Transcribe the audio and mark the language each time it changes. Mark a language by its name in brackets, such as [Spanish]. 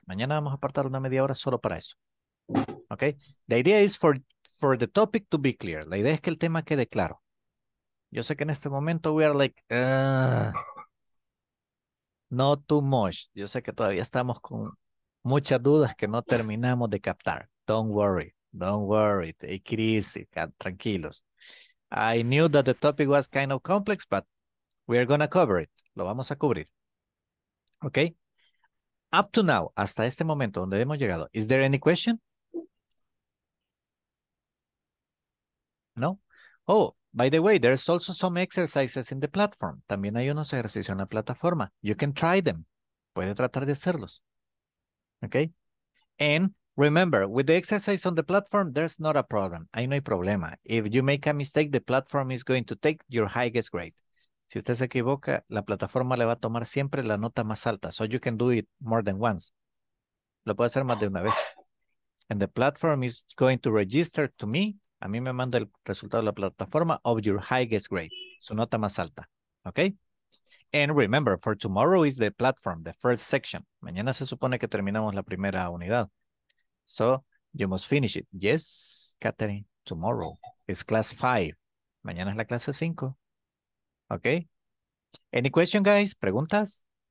[Spanish] Mañana vamos a apartar una media hora solo para eso. [English] Okay? The idea is for the topic to be clear. [Spanish] La idea es que el tema quede claro. Yo sé que en este momento [English] we are like, not too much. [Spanish] Yo sé que todavía estamos con muchas dudas que no terminamos de captar. [English] Don't worry. Don't worry. Take it easy. [Spanish] Tranquilos. [English] I knew that the topic was kind of complex, but we are going to cover it. [Spanish] Lo vamos a cubrir. Okay? [English] Up to now, [Spanish] hasta este momento donde hemos llegado, [English] is there any question? [Spanish] No? [English] Oh, by the way, there's also some exercises in the platform. [Spanish] También hay unos ejercicios en la plataforma. [English] You can try them. [Spanish] Puede tratar de hacerlos. Okay? [English] And remember, with the exercise on the platform, there's not a problem. [Spanish] Ahí no hay problema. [English] If you make a mistake, the platform is going to take your highest grade. [Spanish] Si usted se equivoca, la plataforma le va a tomar siempre la nota más alta. [English] So you can do it more than once. [Spanish] Lo puede hacer más de una vez. [English] And the platform is going to register to me. [Spanish] A mí me manda el resultado de la plataforma [English] of your highest grade. [Spanish] Su nota más alta. [English] Okay? And remember, for tomorrow is the platform, the first section. [Spanish] Mañana se supone que terminamos la primera unidad. [English] So, you must finish it. Yes, Catherine, tomorrow is class 5. [Spanish] Mañana es la clase 5. Okay? [English] Any question, guys? [Spanish] ¿Preguntas?